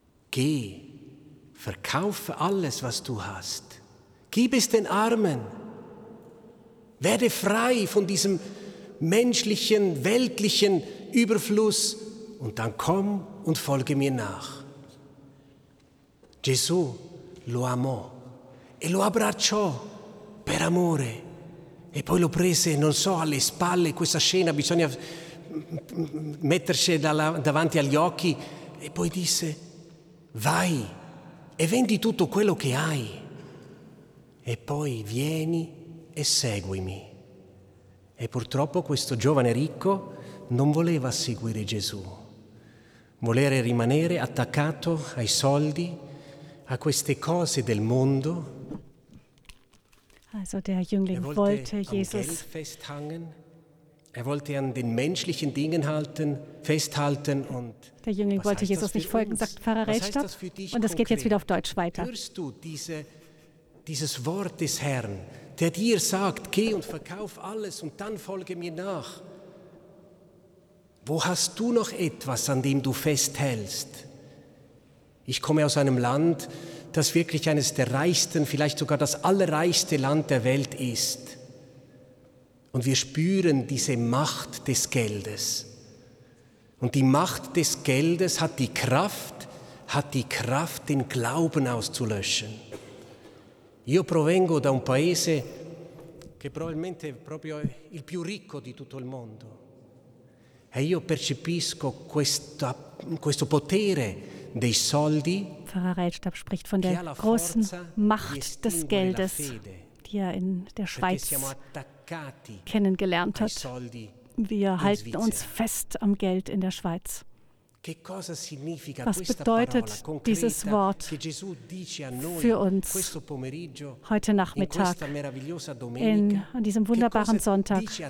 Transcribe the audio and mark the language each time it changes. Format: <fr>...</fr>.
<de>Geh, verkaufe alles, was du hast. Gib es den Armen. Werde frei von diesem menschlichen, weltlichen Überfluss und dann komm und folge mir nach.</de> <it>Gesù lo amò e lo abbracciò per amore e poi lo prese, non so, alle spalle, questa scena bisogna metterci davanti agli occhi e poi disse, vai e vendi tutto quello che hai e poi vieni e seguimi. E purtroppo questo giovane ricco non voleva seguire Gesù, volere rimanere attaccato ai soldi, a queste cose del mondo.</it> <de>Also der Jüngling wollte Jesus. Geld festhangen, er wollte an den menschlichen Dingen halten, festhalten und. Der Jüngling wollte Jesus nicht folgen, sagt Pfarrer Reitstab. Und das geht jetzt wieder auf Deutsch weiter. Hörst du dieses Wort des Herrn, der dir sagt, geh und verkauf alles und dann folge mir nach? Wo hast du noch etwas, an dem du festhältst? Ich komme aus einem Land, das wirklich eines der reichsten, vielleicht sogar das allerreichste Land der Welt ist. Und wir spüren diese Macht des Geldes. Und die Macht des Geldes hat die Kraft, den Glauben auszulöschen.</de> <it>Io provengo da un paese che probabilmente è proprio il più ricco di tutto il mondo. E io percepisco questo potere dei soldi.</it> <de>Pfarrer Reitstab spricht von der großen Macht des Geldes, die er in der Schweiz kennengelernt hat. Wir halten uns fest am Geld in der Schweiz. Was bedeutet dieses Wort für uns heute Nachmittag, an diesem wunderbaren Sonntag?</de>